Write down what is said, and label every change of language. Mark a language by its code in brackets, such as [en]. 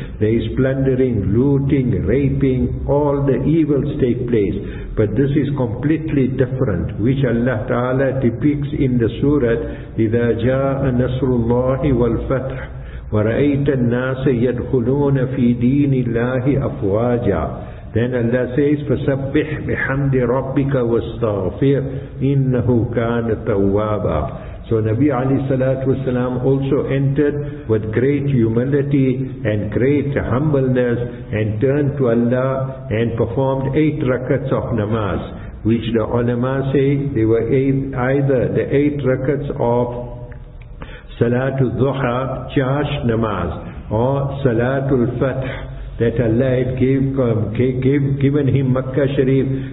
[en] There is plundering, looting, raping, all the evils take place. But this is completely different, which Allah Ta'ala depicts in the surah, [ar] إِذَا جَاءَ نَصْرُ اللَّهِ وَالْفَتْحِ وَرَأَيْتَ النَّاسَ يَدْخُلُونَ فِي دِينِ اللَّهِ أَفْوَاجًا. [en] Then Allah says, [ar] فَسَبِّحْ بِحَمْدِ رَبِّكَ وَاسْتَغْفِرْ إِنَّهُ كَانَ تَوَّابًا. [en] So Nabi alayhi salatu wasalam also entered with great humility and great humbleness, and turned to Allah and performed 8 rakats of namaz, which the ulama say they were either the 8 rakats of salatul duha, chash namaz, or salatul fath, that Allah had given him Makkah Sharif.